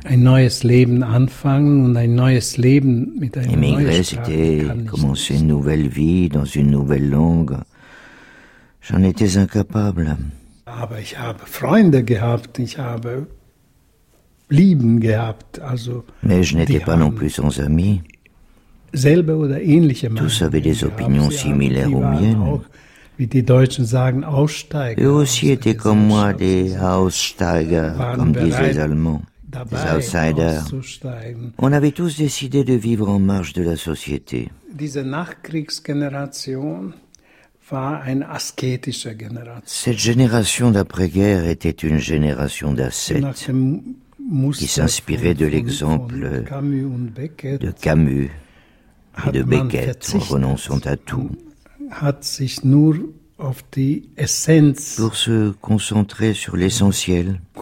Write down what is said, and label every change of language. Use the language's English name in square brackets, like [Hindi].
[French] Émigrer, c'était commencer une nouvelle vie dans une nouvelle langue. J'en étais incapable. Mais j'ai eu des amis, [German] Lieben gehabt, also, [French] mais je n'étais pas non plus sans amis. [German] Selbe oder ähnliche Meinungen. [French] Tous avaient des opinions similaires aux miennes. [German] Auch, wie die Deutschen sagen, Aussteiger. [French] Eux aussi étaient comme moi des Aussteiger, comme disent les Allemands, des Outsiders. On avait tous décidé de vivre en marge de la société. [German] Diese Nachkriegsgeneration war eine asketische Generation. [French] Cette génération d'après-guerre était une génération d'ascètes. Qui s'inspirait de l'exemple de Camus et de Beckett en renonçant à tout pour se concentrer sur l'essentiel.